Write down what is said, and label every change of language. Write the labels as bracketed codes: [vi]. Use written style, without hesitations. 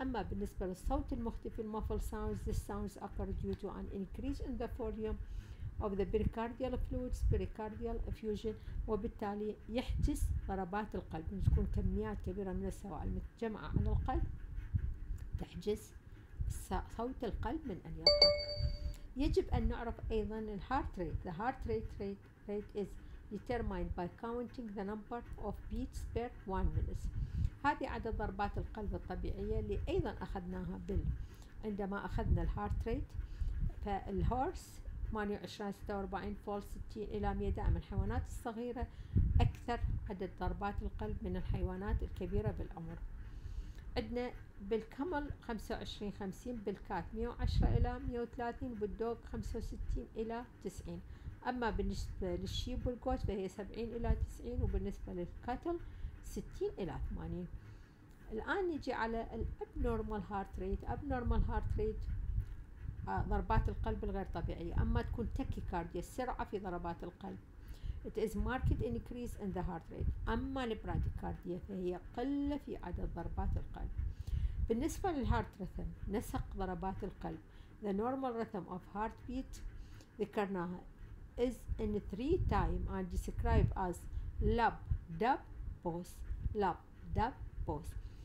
[ar] أما بالنسبة للصوت المختفي [en] muffled sounds the sounds occur due to an increase in the volume of the pericardial fluids pericardial effusion [ar] وبالتالي يحدث ضربات القلب تكون كميات كبيرة من السوائل متجمعة على القلب تحجز صوت القلب من أن يضحك. يجب أن نعرف أيضا الهارت ريت. [en] The heart rate is determined by counting the number of beats per one minute. [ar] هذه عدد ضربات القلب الطبيعية اللي أيضا أخذناها عندما أخذنا الهارت ريت. فالهورس 28-46 فول 60 إلى 100 دائما الحيوانات الصغيرة أكثر عدد ضربات القلب من الحيوانات الكبيرة بالعمر. عندنا بالكمل 25-50 بالكات 110 إلى 130 بالدوغ 65 إلى 90. أما بالنسبة للشيب والقوت فهي 70 إلى 90 وبالنسبة للكاتل 60 إلى 80. الآن نجي على الأبنورمال هارت ريت. أبنورمال هارت ريت ضربات القلب الغير طبيعية. أما تكون تكي كارديا السرعة في ضربات القلب. [en] It is marked increase in the heart rate. [ar] أما البرادي كارديا فهي قلة في عدد ضربات القلب. بالنسبة للهارت رثم نسق ضربات القلب. [en] The normal rhythm of heartbeat [ar] ذكرناها [en] is in three time and described as lab dab pause lab dab pause.